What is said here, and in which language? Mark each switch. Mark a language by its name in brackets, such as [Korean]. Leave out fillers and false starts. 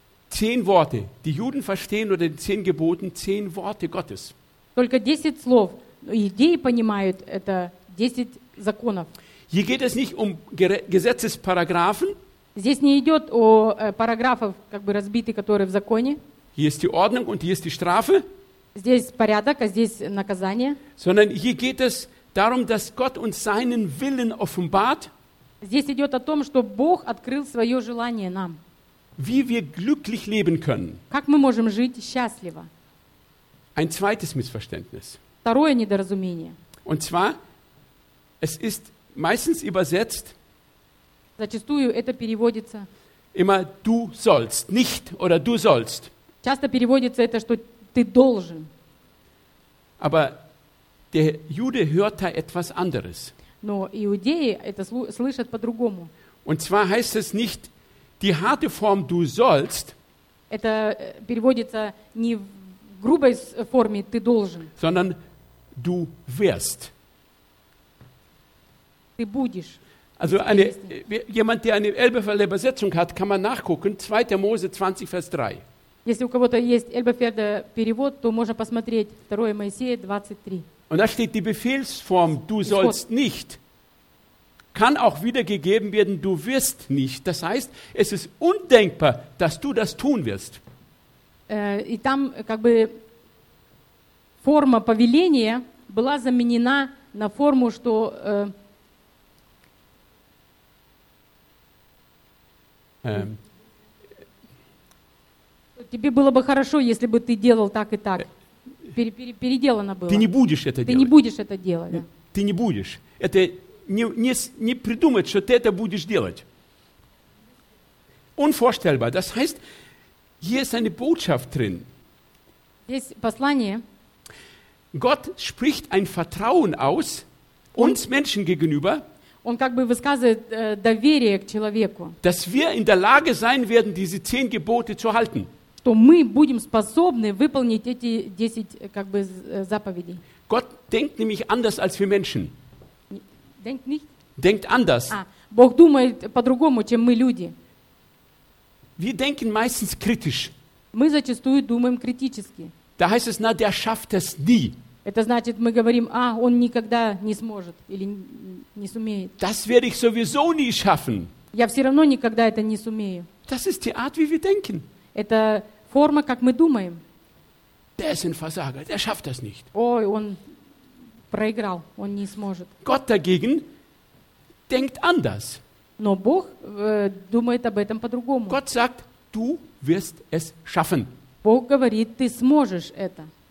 [German] 10 Worte, die Juden verstehen oder den 10 Geboten, 10 Worte Gottes. [Russian] Только 10 слов. Иудеи понимают это 10 законов. [German] Hier geht es nicht um Gesetzesparagraphen. [Russian] Здесь не идет о параграфах, как бы разбитых, которые в законе. [German] Hier ist die Ordnung und hier ist die Strafe. [Russian] Здесь порядок, а здесь наказание. [German] Sondern hier geht es darum, dass Gott uns seinen Willen offenbart. [Russian] Здесь идет о том, что Бог открыл свое желание нам. [German] Wie wir glücklich leben können. [Russian] Как мы можем жить счастливо. [German] Ein zweites Missverständnis. [Russian] Второе недоразумение. [German] Und zwar, es ist meistens übersetzt. [Russian] Зачастую это переводится. [German] Immer du sollst, nicht oder du sollst. [Russian] Часто переводится это, что ты должен. [German] Aber der Jude hört da etwas anderes. [Russian] Но иудеи это слышат по-другому. [German] Und zwar heißt es nicht die harte Form du sollst. [Russian] Это переводится не в грубой форме ты должен. [German] Sondern du wirst. [Russian] Ты будешь. [German] Also eine, jemand, der eine Elberfelder Übersetzung hat, kann man nachgucken. 2. Mose 20, Vers 3. [Russian] Если у кого-то есть Elberfelder Перевод, то можно посмотреть 2. Моисея 23. [German] Und da steht die Befehlsform, du sollst nicht, kann auch wiedergegeben werden, du wirst nicht. Das heißt, es ist undenkbar, dass du das tun wirst. [Russian] И там как бы форма повеления была заменена на форму, что... Тебе было бы хорошо, если бы ты делал так и так. Переделано было. Ты не будешь это ты делать. Ты не будешь это делать. Да. Ты не будешь. Это не придумать, что ты это будешь делать. [German] Unvorstellbar. Das heißt, hier ist eine Botschaft drin. [Russian] Здесь послание. [German] Gott spricht ein Vertrauen aus uns Menschen gegenüber. [Russian] Он как бы высказывает доверие к человеку. [German] Dass wir in der Lage sein werden, diese 10 Gebote zu halten. [Russian] Что мы будем способны выполнить эти 10 как бы заповедей. [German] Gott denkt nämlich anders als wir Menschen. Denkt nicht? Denkt anders. [Russian] Бог думает по-другому, чем мы люди. [German] Wir denken meistens kritisch. [Russian] Мы зачастую думаем критически. [German] Da heißt es, na, der schafft das nie. [Russian] Это значит, мы говорим, а, он никогда не сможет или не сумеет. [German] Das werde ich sowieso nie schaffen. [Russian] Я все равно никогда это не сумею. [German] Das ist die Art, wie wir denken. [Russian] Это форма, как мы думаем. [German] Der ist ein Versager, der schafft das nicht. [Russian] Ой, он проиграл, он не сможет. [German] Gott dagegen denkt anders. [Russian] Но Бог думает об этом по-другому. [German] Gott sagt, du wirst es schaffen. [Russian] Бог говорит, ты сможешь это.